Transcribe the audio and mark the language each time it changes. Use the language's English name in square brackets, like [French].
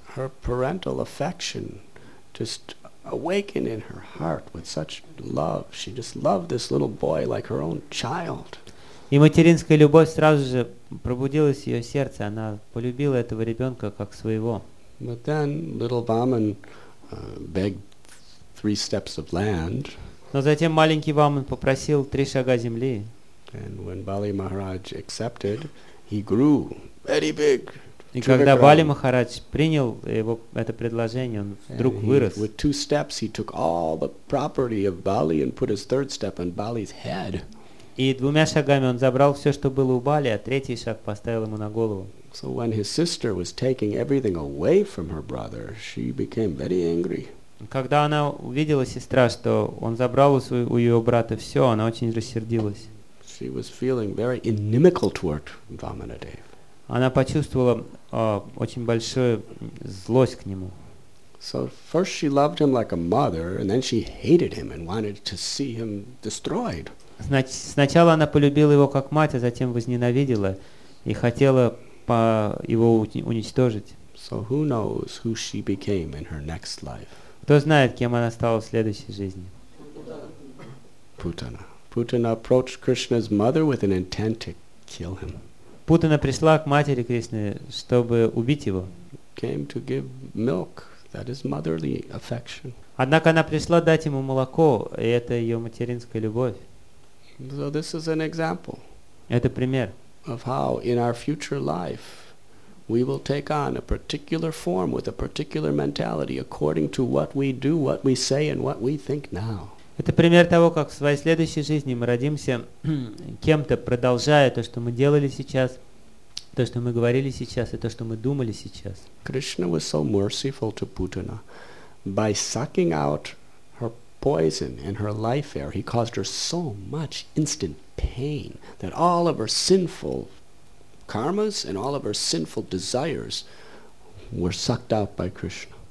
[English] Her parental affection just awakened in her heart with such love. She just loved this little boy like her own child. [Russian] И материнская любовь сразу же пробудилась в ее сердце. Она полюбила этого ребенка как своего. [English] But then little Vaman begged three steps of land. [Russian] Но затем маленький Ваман попросил три шага земли. [English] And when Bali Maharaj accepted, he grew very big. [Russian] И когда Бали Махарадж принял его это предложение, он вдруг вырос. [English] With two steps, he took all the property of Bali and put his third step on Bali's head. [Russian] И двумя шагами он забрал все, что было у Бали, а третий шаг поставил ему на голову. [English] So when his sister was taking everything away from her brother, she became very angry. [Russian] Когда она увидела сестра, что он забрал у ее брата все, она очень рассердилась. [English] She was feeling very inimical toward Vamanadev. [Russian] Она почувствовала очень большую злость к нему. [English] So first she loved him like a mother, and then she hated him and wanted to see him destroyed. [Russian] Сначала она полюбила его как мать, а затем возненавидела и хотела его уничтожить. [English] So who knows who she became in her next life? [Russian] Кто знает, кем она стала в следующей жизни? Путана. [English] Путана approached Krishna's mother with an intent to kill him. [Russian] Путана пришла к матери Кришны, чтобы убить его. [English] Came to give milk, that is motherly affection. [Russian] Однако она пришла дать ему молоко, и это ее материнская любовь. [English] So this is an example. [Russian] Это пример. [English] Of how in our future life we will take on a particular form with a particular mentality according to what we do, what we say, and what we think now. [Russian] Это пример того, как в своей следующей жизни мы родимся кем-то, продолжая то, что мы делали сейчас, то, что мы говорили сейчас, и то, что мы думали сейчас. [English] Krishna was so merciful to Putana. By sucking out her poison in her life air, he caused her so much instant pain that all of her sinful karmas and all of her sinful desires were sucked out by Krishna.